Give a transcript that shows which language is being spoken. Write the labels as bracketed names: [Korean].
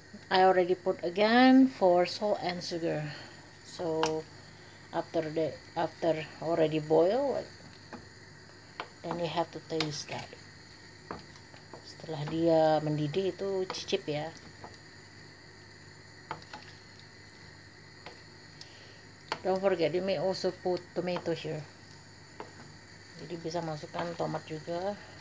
[English] I already put again for salt and sugar. So, after already boil, then you have to taste that. [Indonesian] Setelah dia mendidih itu cicip ya. [English] Don't forget, you may also put tomato here. [Indonesian] Jadi bisa masukkan tomat juga.